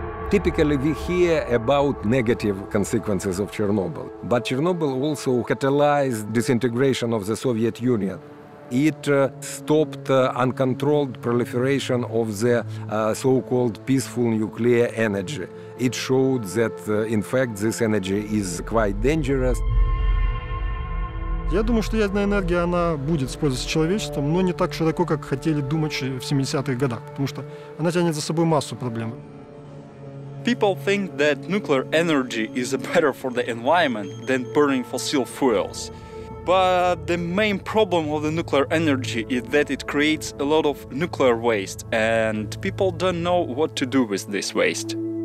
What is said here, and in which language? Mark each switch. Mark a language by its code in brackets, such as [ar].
[en] Typically, we hear about negative consequences of Chernobyl, but Chernobyl also catalyzed disintegration of the Soviet Union. It stopped uncontrolled proliferation of the so-called peaceful nuclear energy. It showed that, in fact, this energy is quite dangerous. [ru] Я думаю, что ядерная энергия, она будет использоваться человечеством, но не так широко, как хотели думать в 70-х годах, потому что она тянет за собой массу проблем. [en] People think that nuclear energy is better for the environment than burning fossil fuels. But the main problem of the nuclear energy is that it creates a lot of nuclear waste, and people don't know what to do with this waste.